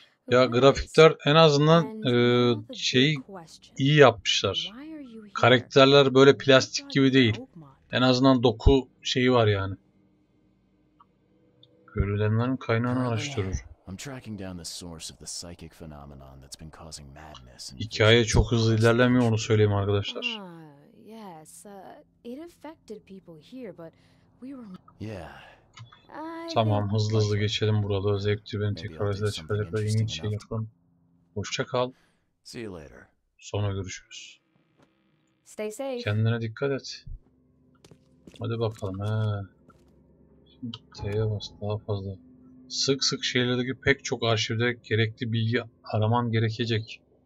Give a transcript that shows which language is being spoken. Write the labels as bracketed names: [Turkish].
[Turkish] Ya grafikler en azından şeyi iyi yapmışlar. Karakterler böyle plastik gibi değil. En azından doku şeyi var yani. Görülenlerin kaynağını araştırır. [English] I'm tracking down the source of the psychic phenomenon that's been causing madness. [Turkish] Hikaye çok hızlı ilerlemiyor, onu söyleyeyim arkadaşlar. [English] Yes, it affected people here, but we were. Yeah. [Turkish] Tamam, hızlı hızlı geçelim buralı. Özellikle beni tekrar izleyicilerle ilgili bir şey yapalım. Hoşça kal. [English] See you later. [Turkish] Sonra görüşürüz. [English] Stay safe. [Turkish] Kendine dikkat et. Hadi bakalım. Şimdi T'ye bas, daha fazla. Sık sık şeylerdeki pek çok arşivde gerekli bilgi araman gerekecek.